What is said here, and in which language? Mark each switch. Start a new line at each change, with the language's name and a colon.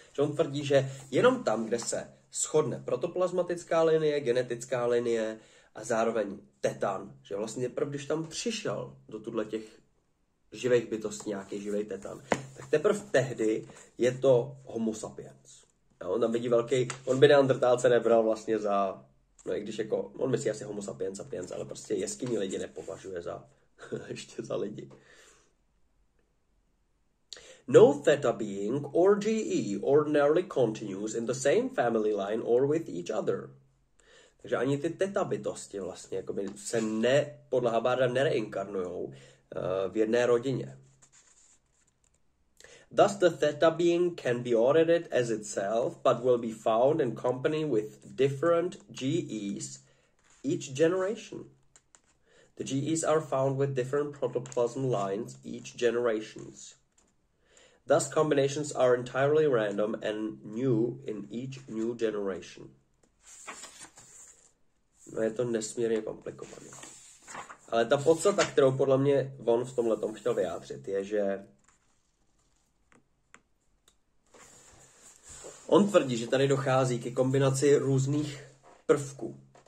Czech: Že on tvrdí, že jenom tam, kde se shodne protoplasmatická linie, genetická linie a zároveň tetan, že vlastně prv, když tam přišel do tuhle těch živých bytostí nějaký živej tetan, tak teprv tehdy je to Homo sapiens. A on tam vidí velký, on by neandrtálce nebral vlastně za, no i když jako, on myslí asi Homo sapiens sapiens, ale prostě jeskyní lidi nepovažuje za, ještě za lidi.
English: No theta being or GE ordinarily continues in the same family line or with each other.
Czech: Takže ani ty theta bytosti vlastně jako by se ne, podle Hubbarda, nereinkarnujou v jedné rodině.
English: Thus the theta being can be audited as itself, but will be found in company with different GEs each generation. The GEs are found with different protoplasm lines each generations. Thus combinations are entirely random and new in each new generation.
Czech: No je to nesmírně komplikované. Ale ta podstata, kterou podle mě on v tomhle tom chtěl vyjádřit, je, že on tvrdí, že tady dochází ke kombinaci různých prvků.